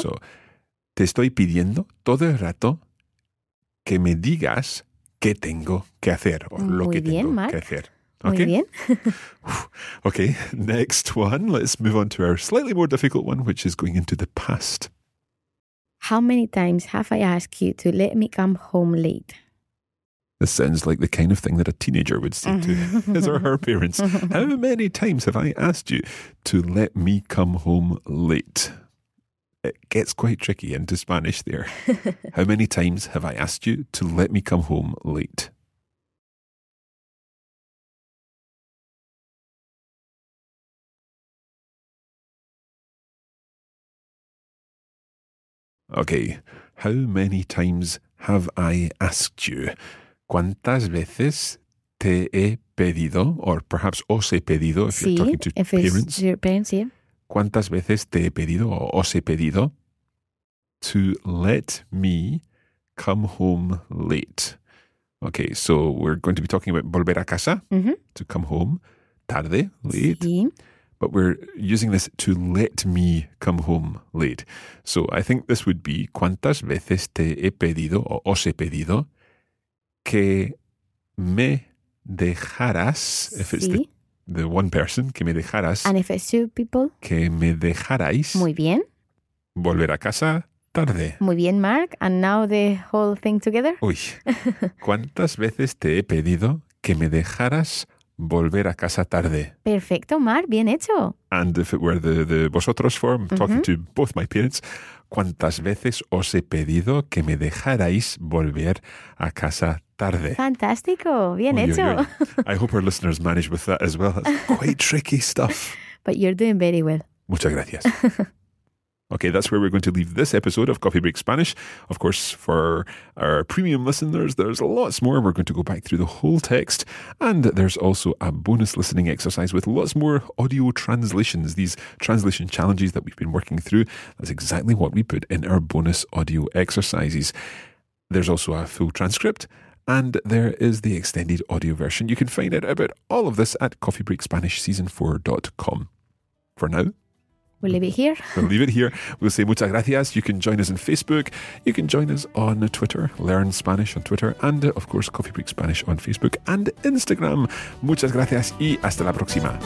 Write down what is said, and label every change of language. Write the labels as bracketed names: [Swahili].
[Spanish] So, te estoy pidiendo todo el rato que me digas... ¿Qué tengo que hacer? Muy lo que bien, tengo Mark. Que hacer. Okay. Muy bien. [English] Okay, next one. Let's move on to our slightly more difficult one, which is going into the past. How many times have I asked you to let me come home late? This sounds like the kind of thing that a teenager would say to his or her parents. How many times have I asked you to let me come home late? It gets quite tricky into Spanish there. How many times have I asked you to let me come home late? Okay, how many times have I asked you? [Spanish] ¿Cuántas veces te he pedido? [English] Or perhaps [Spanish] os he pedido [English] if you're talking to parents. Your parents, yeah. [Spanish] ¿Cuántas veces te he pedido o os he pedido [English] to let me come home late? Okay, so we're going to be talking about [Spanish] volver a casa, [English] to come home tarde, late. [Spanish] Sí. [English] But we're using this to let me come home late. So I think this would be [Spanish] ¿cuántas veces te he pedido o os he pedido que me dejaras? [English] If it's the one person, [Spanish] que me dejaras. [English] And if it's two people. [Spanish] Que me dejarais. Muy bien. Volver a casa tarde. Muy bien, Mark. [English] And now the whole thing together. Uy. [Spanish] ¿Cuántas veces te he pedido que me dejaras volver a casa tarde? Perfecto, Mark. Bien hecho. [English] And if it were the vosotros form, talking to both my parents. [Spanish] ¿Cuántas veces os he pedido que me dejarais volver a casa tarde? Fantástico. Bien hecho. [English] I hope our listeners manage with that as well. It's quite tricky stuff. But you're doing very well. [Spanish] Muchas gracias. [English] Okay, that's where we're going to leave this episode of Coffee Break Spanish. Of course, for our premium listeners, there's lots more. We're going to go back through the whole text. And there's also a bonus listening exercise with lots more audio translations, these translation challenges that we've been working through. That's exactly what we put in our bonus audio exercises. There's also a full transcript. And there is the extended audio version. You can find out about all of this at coffeebreakspanishseason4.com. For now, we'll leave it here. We'll leave it here. We'll say [Spanish] muchas gracias. [English] You can join us on Facebook. You can join us on Twitter, Learn Spanish on Twitter. And of course, Coffee Break Spanish on Facebook and Instagram. [Spanish] Muchas gracias y hasta la próxima.